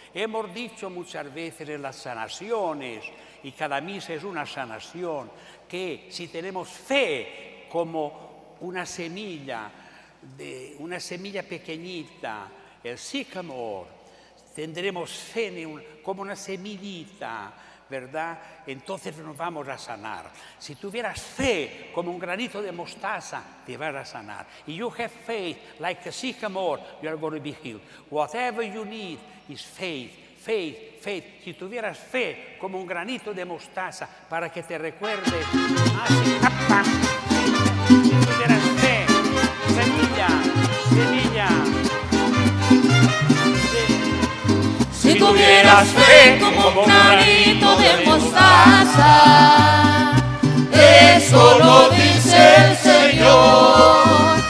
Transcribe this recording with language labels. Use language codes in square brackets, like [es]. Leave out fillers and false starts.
[es] Hemos dicho muchas veces en las sanaciones, y cada misa es una sanación, que si tenemos fe como una semilla pequeñita, el sycamore, tendremos fe como una semillita, ¿verdad? Entonces nos vamos a sanar. Si tuvieras fe como un granito de mostaza, te vas a sanar. [en] If you have faith like a sycamore, you are going to be healed. Whatever you need is faith, faith, faith. [es] Si tuvieras fe como un granito de mostaza, para que te recuerde. Si tuvieras fe, semilla, semilla. Si tuvieras fe como un granito de mostaza, eso lo dice el Señor.